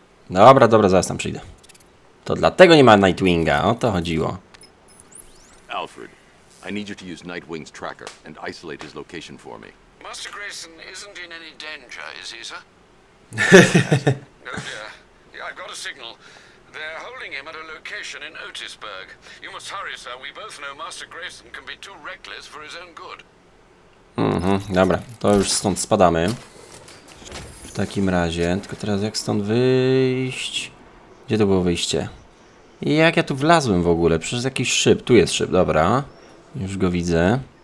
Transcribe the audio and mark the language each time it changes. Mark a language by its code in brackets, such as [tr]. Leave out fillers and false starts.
[pl] Dobra, dobra, zaraz tam przyjdę. To dlatego nie ma Nightwinga, o to chodziło. [en] Alfred, I need you to use Nightwing's tracker and isolate his location for me. Master Grayson isn't in any danger, is he, sir? No, dear. I've got a signal. They're holding him at a location in Otisburg. You must hurry, sir. We both know Master Grayson can be too reckless for his own good. [pl] Mhm, dobra. To już stąd spadamy. W takim razie, tylko teraz jak stąd wyjść? Gdzie to było wyjście? I jak ja tu wlazłem w ogóle? Przez jakiś szyb. Tu jest szyb, dobra. Już go widzę.